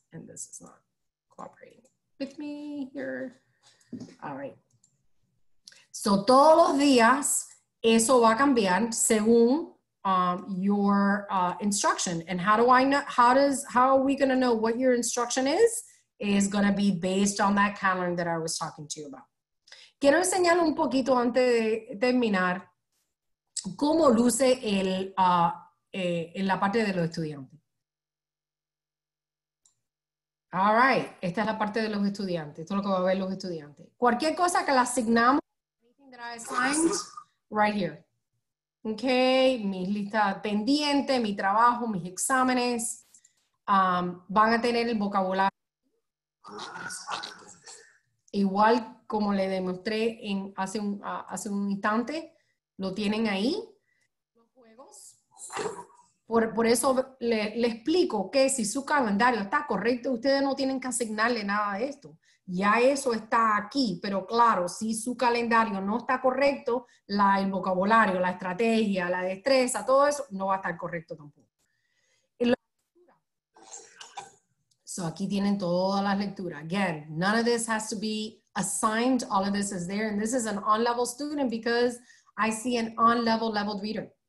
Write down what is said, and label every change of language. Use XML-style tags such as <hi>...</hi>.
<en>And this is not cooperating with me here. All right.</en> <es>So todos los días eso va a cambiar según</es> <en>your instruction. And how do I know, how are we going to know what your instruction is going to be based on that calendar that I was talking to you about.</en> <es>Quiero enseñar un poquito antes de terminar cómo luce el en la parte de los estudiantes.</es> <en>All right,</en> <es>esta es la parte de los estudiantes, esto es lo que va a ver los estudiantes. Cualquier cosa que le asignamos</es> <en>that I assigned right here.</en> <es>Okay, mi lista pendiente, mi trabajo, mis exámenes. Van a tener el vocabulario. Igual como le demostré hace un instante, lo tienen ahí. Los juegos. Por eso le explico que si su calendario está correcto, ustedes no tienen que asignarle nada de esto. Ya eso está aquí, pero claro, si su calendario no está correcto, el vocabulario, la estrategia, la destreza, todo eso no va a estar correcto tampoco. So aquí tienen todas las lecturas.</es> <en>Again, none of this has to be assigned. All of this is there. And this is an on-level student because I see an on-level leveled reader.</en>